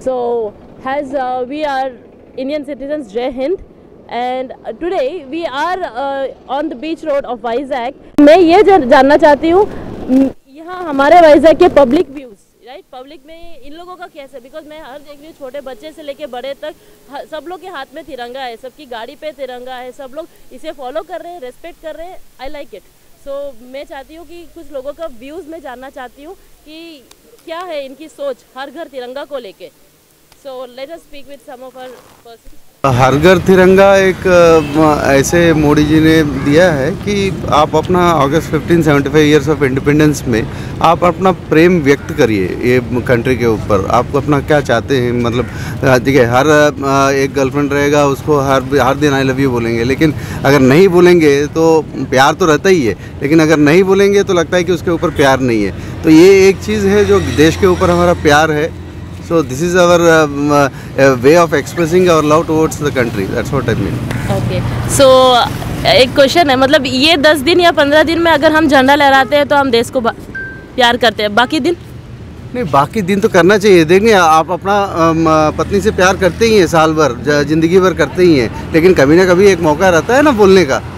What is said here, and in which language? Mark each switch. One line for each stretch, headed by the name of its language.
English: So as we are Indian citizens, Jai Hind. And today we are on the beach road of Vizag.
Hindi: मैं ये जानना चाहती हूँ यहाँ हमारे Vizag के
English: public views, right?
Hindi: Public में इन लोगों का कैसे? Because मैं हर देख रही हूँ छोटे बच्चे से लेके बड़े तक सब लोग के हाथ में तिरंगा है, सबकी गाड़ी पे तिरंगा है, सब लोग इसे follow कर रहे हैं, respect कर रहे हैं.
English: I like it.
Hindi: So मैं चाहती हूँ कि कुछ लोगों का views मैं जानना चाहती हूँ कि क्या है इनकी सोच हर घर तिरंगा को लेके.
English: So let us speak with some of our persons.
Hindi: हर घर तिरंगा एक ऐसे मोदी जी ने दिया है कि आप अपना अगस्त 1575 ईयर्स ऑफ इंडिपेंडेंस में आप अपना प्रेम व्यक्त करिए ये कंट्री के ऊपर. आप अपना क्या चाहते हैं, मतलब ठीक है हर एक गर्लफ्रेंड रहेगा उसको हर दिन आई लव यू बोलेंगे, लेकिन अगर नहीं बोलेंगे तो प्यार तो रहता ही है, लेकिन अगर नहीं बोलेंगे तो लगता है कि उसके ऊपर प्यार नहीं है. तो ये एक चीज़ है जो देश के ऊपर हमारा प्यार है.
English: So this is our way of expressing our love towards the country. That's what I mean. Okay.
Hindi: So एक question है, मतलब ये 10 दिन या 15 दिन में अगर हम झंडा लहराते हैं तो हम देश को प्यार करते हैं, बाकी दिन? नहीं, बाकी दिन तो करना चाहिए. देखिए आप अपना पत्नी से प्यार करते ही हैं, साल भर जिंदगी भर करते ही हैं, लेकिन कभी ना कभी एक मौका रहता है ना बोलने का.